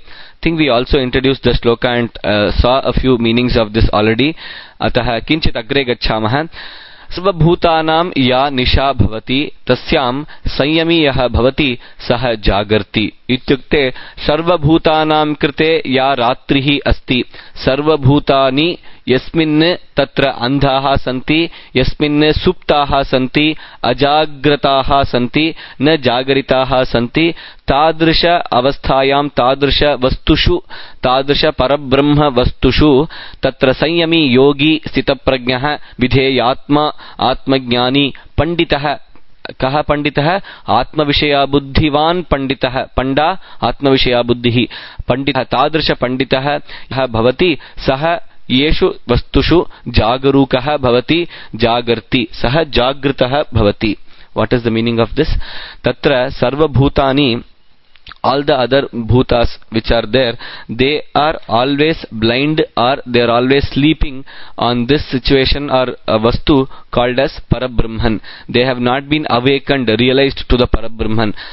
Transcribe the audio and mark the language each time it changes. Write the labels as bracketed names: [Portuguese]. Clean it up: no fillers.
[English] I think we also introduced the shloka and saw a few meanings of this already. [Sanskrit] अतः किञ्चित् अग्रे गच्छामः. सर्वभूतानां या निशा भवति तस्यां संयमी यः भवति सः जागर्ति. इत्युक्ते सर्वभूतानां कृते या रात्रिः अस्ति, सर्वभूतानि यस्मिन् तत्र अन्धाः सन्ति, यस्मिन् सुप्ताः सन्ति, अजाग्रताः सन्ति, न जागरिताः सन्ति, तादृश अवस्थायां तादृश वस्तुषु तादृश परब्रह्म वस्तुषु तत्र संयमी योगी स्थितप्रज्ञः विधेयात्मा आत्मज्ञानी पंडितः. कः पंडितः? आत्मविषयबुद्धिवान् पंडितः. पंडा आत्मविषयबुद्धिः, पंडितः तादृश पंडितः यः भवति सः येषु वस्तुषु जागरूकः भवति जागर्ति सः जागृतः भवति. [English] What is the meaning of this? [Sanskrit] तत्र सर्वभूतानि, [English] all the other bhutas which are there, they are always blind or they are always sleeping on this situation or vastu called as parabrahman. They have not been awakened, realized to the parabrahman.